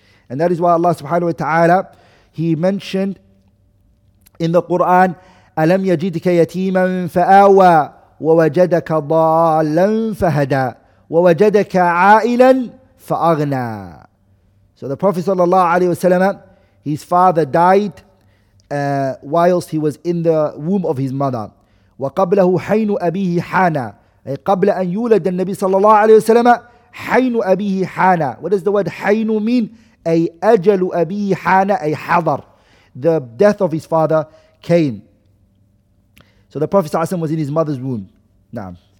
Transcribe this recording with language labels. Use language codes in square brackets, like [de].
[en] And that is why Allah subhanahu wa ta'ala, he mentioned in the Quran, [ar] أَلَمْ يَجِدْكَ يَتِيمًا فَآوَى وَوَجَدَكَ ضَالًا فَهَدَى وَوَجَدَكَ عَائِلًا فَأَغْنَى. [en] So the Prophet sallallahu alayhi wa sallam, his father died whilst he was in the womb of his mother. [ar] وَقَبْلَهُ حَيْنُ أَبِيهِ حَانَى, أي قبل أن يولد النبي صلى الله عليه وسلم, حَيْنُ أَبِيهِ حَانَى. [en] What does the word حَيْنُ mean? [ar] أي أجل أبيه حانا, أي حضر. [en] The death of his father came. So the Prophet ﷺ was in his mother's womb. [ar] نعم.